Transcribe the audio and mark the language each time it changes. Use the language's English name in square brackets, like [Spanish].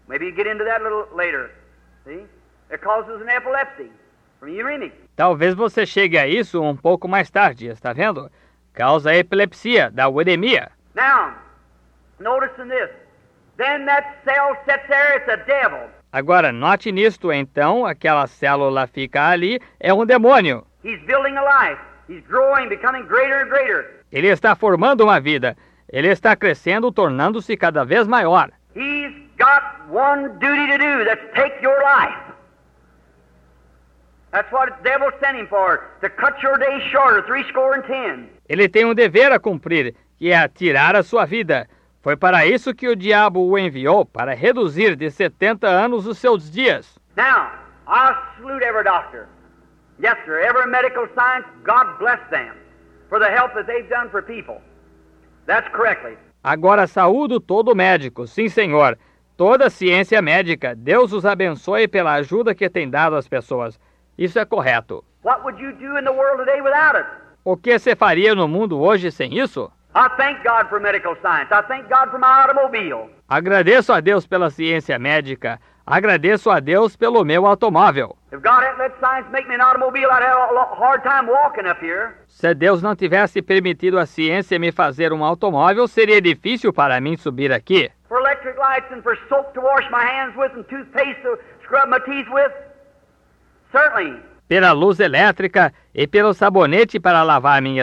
[English] Maybe you get into that a little later. See? It causes an epilepsy from uremic. [Portuguese] Talvez você chegue a isso pouco mais tarde, está vendo? Causa epilepsia da uremia. [English] Now, noticing this. Then that cell sits there, it's a devil. [Portuguese] Agora, note nisto, então, aquela célula fica ali, demônio. [English] He's building a life. He's growing, becoming greater and greater. [Portuguese] Ele está formando vida. Ele está crescendo, tornando-se cada vez maior. [English] He's got one duty to do, that's take your life. That's what the devil sent him for, to cut your days shorter, 70. [Portuguese] Ele tem dever a cumprir, que é tirar a sua vida. Foi para isso que o diabo o enviou, para reduzir de 70 anos os seus dias. [English] Now, I salute every doctor. Yes, sir, every medical science, God bless them for the help that they've done for people. That's correctly. [Portuguese] Agora saúdo todo médico, sim, senhor. Toda ciência médica, Deus os abençoe pela ajuda que tem dado às pessoas. Isso é correto. [English] What would you do in the world today without it? [Portuguese] O que você faria no mundo hoje sem isso? [English] I thank God for medical science. I thank God for my automobile. [Portuguese] Agradeço a Deus pela ciência médica. Agradeço a Deus pelo meu automóvel. [English] If God hadn't let science make me an automobile, I'd have a hard time walking up here. [Portuguese] Se Deus não tivesse permitido a ciência me fazer automóvel, seria difícil para mim subir aqui. [English] For electric lights and for soap to wash my hands with and toothpaste to scrub my teeth with. Certainly. [Portuguese] Pela luz elétrica e pelo sabonete para lavar minhas